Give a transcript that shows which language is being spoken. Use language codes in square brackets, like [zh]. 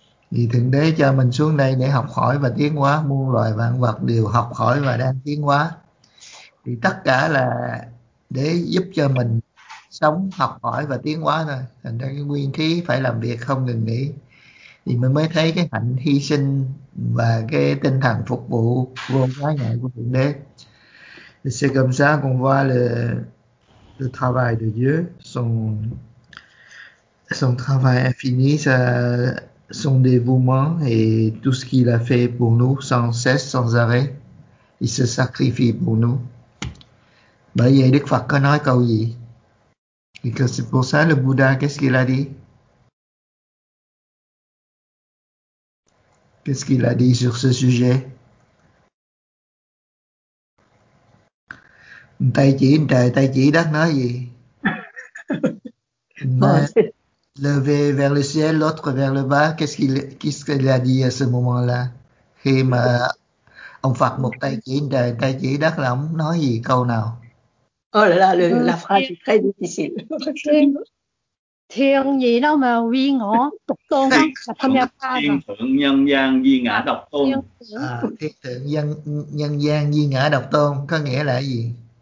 [vi] Thì Thượng Đế cho mình xuống đây để học hỏi và tiến hóa, muôn loài vạn vật đều học hỏi và đang tiến hóa. Thì tất cả là để giúp cho mình sống, học hỏi và tiến hóa thôi. Thành ra cái nguyên khí phải làm việc không ngừng nghỉ. Thì mình mới thấy cái hạnh hy sinh và cái tinh thần phục vụ vô giá nhẹ của Thượng Đế. [fr] C'est comme ça qu'on voit le travail de Dieu, son travail infini, son dévouement et tout ce qu'il a fait pour nous sans cesse, sans arrêt. Il se sacrifie pour nous. [vi] Bởi vậy Đức Phật có nói câu gì? [fr] Et que c'est pour ça le Bouddha, qu'est-ce qu'il a dit? Qu'est-ce qu'il a dit sur ce sujet? [vi] Tay chỉ trời, tay chỉ đất nói gì? [fr] Levé vers le ciel, l'autre vers le bas. Qu'est-ce qu'il a dit à ce moment-là? [vi] Khi mà ông Phật một tay chỉ trời, tay chỉ đất là ông nói gì câu nào? [fr] Oh là là, la phrase est très difficile. [vi] Thiên gì đâu mà vi ngõ tục tôn là tham gia ta thiên thượng nhân gian vi ngã độc tôn à, thiên thượng nhân nhân gian vi ngã độc tôn có nghĩa là gì?